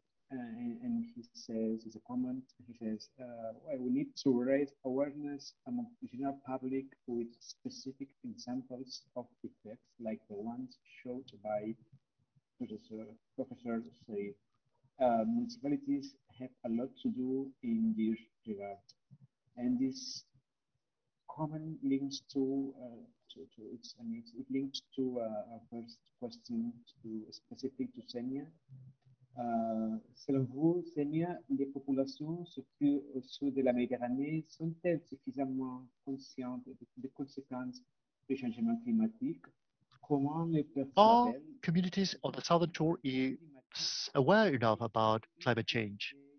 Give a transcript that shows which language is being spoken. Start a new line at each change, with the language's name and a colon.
English: And he says, it's a comment, he says, well, we need to raise awareness among the general public with specific examples of effects like the ones showed by Professor Say. Municipalities have a lot to do in this regard. And this comment links to it links to a first question to specific to Xenia.
French: Selon vous, Xenia, les populations, surtout au sud de la Méditerranée, sont-elles suffisamment conscientes des conséquences du changement climatique? Comment les personnes
English: communities on the southern shore aware enough about climate change?